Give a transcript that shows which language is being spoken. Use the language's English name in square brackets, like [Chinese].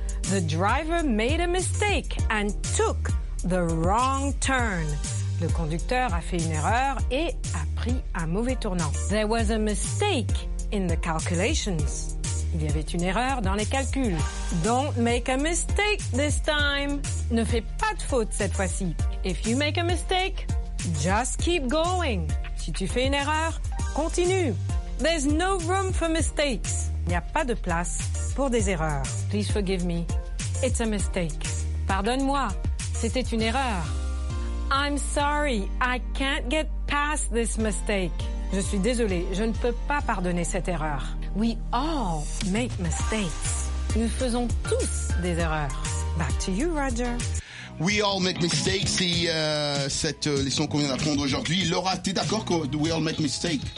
[English] The driver made a mistake and took the wrong turn. [French] Le conducteur a fait une erreur et a pris un mauvais tournant. [English] There was a mistake in the calculations. [French] Il y avait une erreur dans les calculs. [English] Don't make a mistake this time. [French] Ne fais pas de faute cette fois-ci. [English] If you make a mistake, just keep going. [French] Si tu fais une erreur, continue. [English] There's no room for mistakes. [French] Il n'y a pas de place pour des erreurs. [English] Please forgive me. It's a mistake. [French] Pardonne-moi. C'était une erreur. [English] I'm sorry, I can't get past this mistake. [French] Je suis désolée, je ne peux pas pardonner cette erreur. [English] We all make mistakes. [French] Nous faisons tous des erreurs. [English] Back to you, Roger. We All Make Mistakes, [French] c'est cette leçon qu'on vient d'apprendre aujourd'hui. Laura, t'es d'accord que [English] We All Make Mistakes?